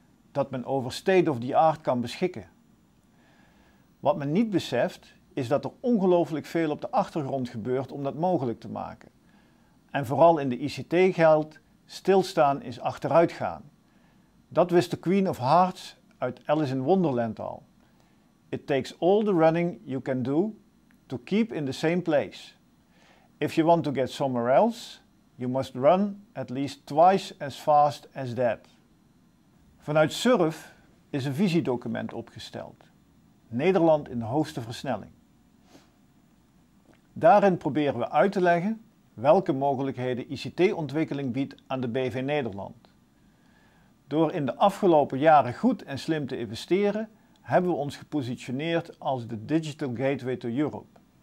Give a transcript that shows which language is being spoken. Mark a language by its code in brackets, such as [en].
[nl] Dat men over [en] state of the art [nl] kan beschikken. Wat men niet beseft, is dat er ongelooflijk veel op de achtergrond gebeurt om dat mogelijk te maken. En vooral in de ICT geldt, stilstaan is achteruitgaan. Dat wist de Queen of Hearts uit Alice in Wonderland al. [en] It takes all the running you can do to keep in the same place. If you want to get somewhere else, you must run at least twice as fast as that. [nl] Vanuit SURF is een visiedocument opgesteld. Nederland in de hoogste versnelling. Daarin proberen we uit te leggen welke mogelijkheden ICT-ontwikkeling biedt aan de BV Nederland. Door in de afgelopen jaren goed en slim te investeren, hebben we ons gepositioneerd als de Digital Gateway to Europe.